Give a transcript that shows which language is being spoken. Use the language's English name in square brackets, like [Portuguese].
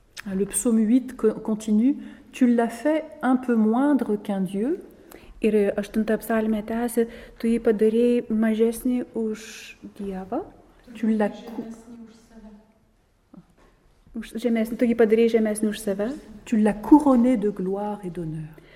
[French] Le psaume 8 continue, tu l'as fait un peu moindre qu'un dieu. [Lithuanian] Ir aštunta psalmė tęsia, tu jį padarėjai mažesnį už Dievą. [French] Tu l'as cou... [Lithuanian] už žemesnį, tu jį padarėjai žemesnį už save. [French] Tu l'as couronné de gloire et d'honneur.